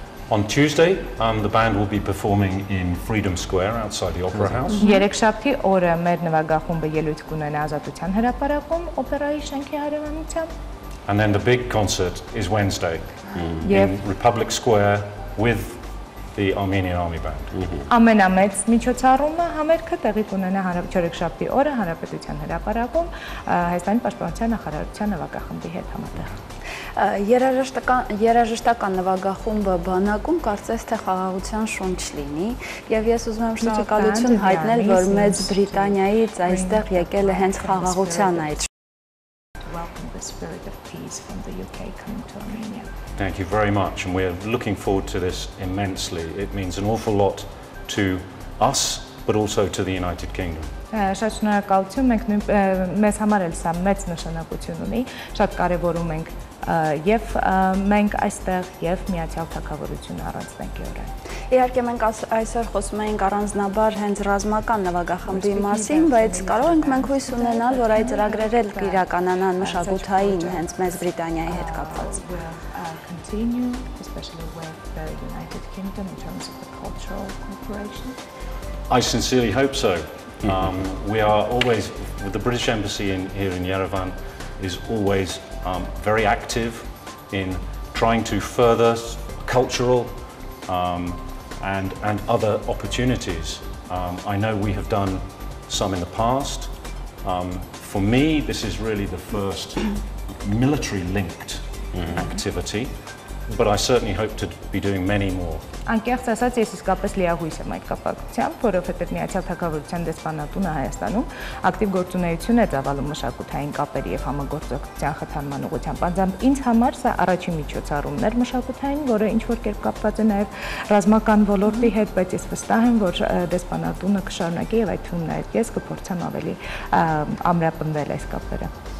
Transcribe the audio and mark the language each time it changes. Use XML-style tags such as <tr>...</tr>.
<en>On Tuesday, the band will be performing in Freedom Square outside the Opera House.</en> <hy>Երեքշաբթի օրը մեր նվագախումբը ելույթ կունենա Ազատության հրապարակում, օպերայի շենքի հարևանությամբ.</hy> <en>And then the big concert is Wednesday in Republic Square with the Armenian Army Band.</en> <hy>Ամենամեծ միջոցառումը համերգը տեղի կունենա երեքշաբթի օրը Հանրապետության հրապարակում Հայաստանի Պաշտպանության նախարարության նվագախմբի հետ համատեղ։ Երաժշտական նվագախումբը բանակում կարծես թե խաղաղության շունչ լինի եւ ես ուզում եմ շնորհակալություն հայտնել որ Մեծ Բրիտանիայից այստեղ եկել է հենց խաղաղության այդ</hy> <en>Welcome the spirit of peace from the UK coming to Armenia. Thank you very much and we're looking forward to this immensely. It means an awful lot to us but also to the United Kingdom.</en> <hy>Շատ շնորհակալություն, մենք մեզ համար էլ սա մեծ նշանակություն ունի, շատ կարևորում ենք եւ մենք այստեղ եւ միացյալ թակավորությունը առանձնանք օրը։ Իհարկե մենք այսօր խոսում ենք առանձնաբար հենց ռազմական նվագախմբի մասին, բայց կարող ենք մենք հույս ունենալ, որ այդ ծրագրերը կիրականանան մշակութային հենց մեծ Բրիտանիայի հետ կապված։</hy> <en>I sincerely hope so. We are always, the British Embassy here in Yerevan is always very active in trying to further cultural and other opportunities. I know we have done some in the past. For me, this is really the first military-linked activity, but I certainly hope to be doing many more.</en> <hy>Անկեղծ ասած, ես իսկապես լիահույս եմ այդ կապակցությամբ, որովհետև Միացյալ Թագավորության դեսպանատունը Հայաստանում ակտիվ գործունեություն է ծավալում մշակութային կապերի եւ համագործակցության խթանման ուղղությամբ։ Անձամբ ինձ համար սա առաջին միջոցառումն էր մշակութային, որը ինչ որ կերպ կապված է նաեւ ռազմական ոլորտի հետ, բայց ես վստահ եմ, որ դեսպանատունը կշարունակի եւ այդ թվում նաեւ ես կփորձեմ ավելի ամրապնդել այս կապերը։</hy>